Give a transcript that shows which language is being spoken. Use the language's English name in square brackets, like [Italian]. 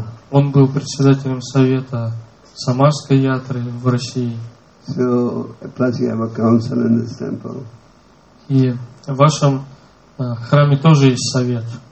[Russian] Он был председателем совета Самарской ятры в России. [English] So, plus you have a council in this temple. [Russian] И в вашем храме тоже есть совет.